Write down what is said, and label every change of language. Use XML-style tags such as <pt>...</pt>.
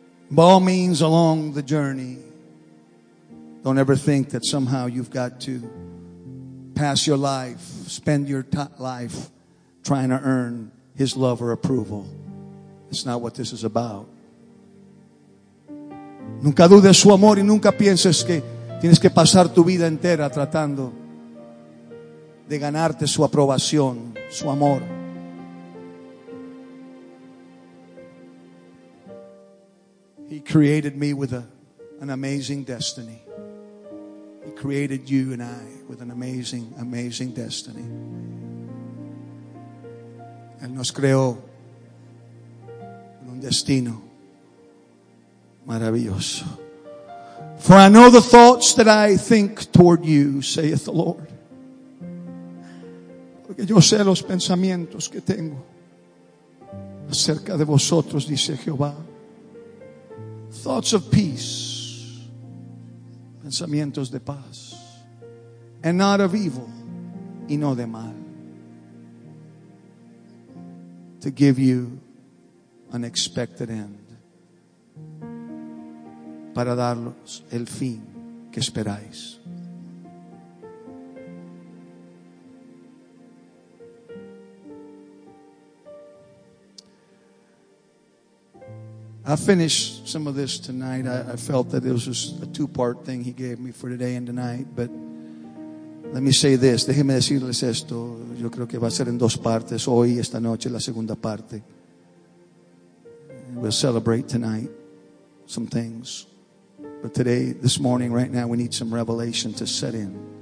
<en>By all means, along the journey, don't ever think that somehow you've got to pass your life, spend your life trying to earn His love or approval. That's not what this is about.</en> <es>Nunca dudes su amor y nunca pienses que tienes que pasar tu vida entera tratando de ganarte su aprobación, su amor.</es> <en>He created me with an amazing destiny. Created you and I with an amazing, amazing destiny.</en> <es>Él nos creó con un destino maravilloso.</es> <en>For I know the thoughts that I think toward you, saith the Lord.</en> <es>Porque yo sé los pensamientos que tengo acerca de vosotros, dice Jehová.</es> <en>Thoughts of peace.</en> <es>Pensamientos de paz.</es> <en>And not of evil,</en> <es>y no de mal.</es> <en>To give you an expected end.</en> <es>Para daros el fin que esperáis.</es> <en>I finished some of this tonight. I felt that it was a two-part thing He gave me for today and tonight, but let me say this.</en> <es>Déjeme decirles esto. Yo creo que va a ser en dos partes. Hoy, esta noche, la segunda parte.</es> <en>We'll celebrate tonight some things. But today, this morning, right now, we need some revelation to set in.</en>